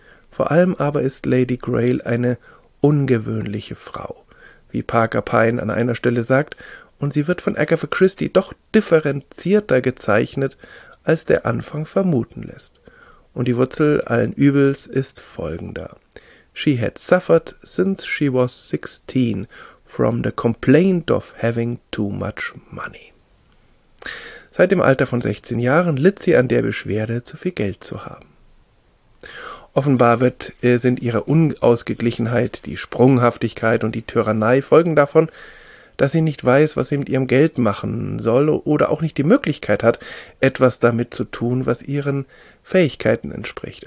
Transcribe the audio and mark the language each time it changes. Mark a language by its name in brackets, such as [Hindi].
[German] Vor allem aber ist Lady Grail eine ungewöhnliche Frau, wie Parker Pine an einer Stelle sagt, und sie wird von Agatha Christie doch differenzierter gezeichnet, als der Anfang vermuten lässt. Und die Wurzel allen Übels ist folgender. [English] She had suffered since she was 16 from the complaint of having too much money. [German] Seit dem Alter von 16 Jahren litt sie an der Beschwerde, zu viel Geld zu haben. Offenbar sind ihre Unausgeglichenheit, die Sprunghaftigkeit und die Tyrannei Folgen davon, dass sie nicht weiß, was sie mit ihrem Geld machen soll oder auch nicht die Möglichkeit hat, etwas damit zu tun, was ihren Fähigkeiten entspricht.